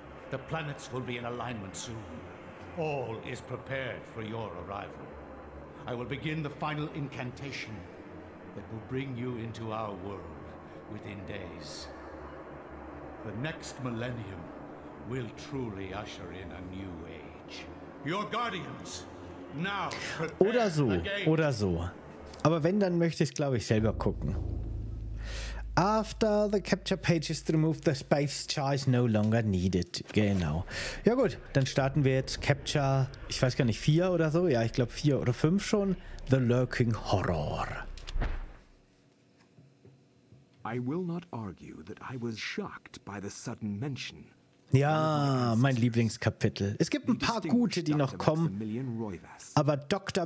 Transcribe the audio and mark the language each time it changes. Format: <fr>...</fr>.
<en>The planets will be in alignment soon. All is prepared for your arrival. I will begin the final incantation that will bring you into our world within days. The next millennium will truly usher in a new age. Your guardians!</en> <de>Oder so, oder so. Aber wenn, dann möchte ich es, glaube ich, selber gucken.</de> <en>After the capture page is removed, the space char is no longer needed.</en> <de>Genau. Ja gut, dann starten wir jetzt Capture, ich weiß gar nicht, 4 oder so. Ja, ich glaube 4 oder 5 schon. The Lurking Horror.</de> <en>I will not argue that I was shocked by the sudden mention.</en> <de>Ja, mein Lieblingskapitel. Es gibt ein paar gute, die noch kommen, aber Dr.</de>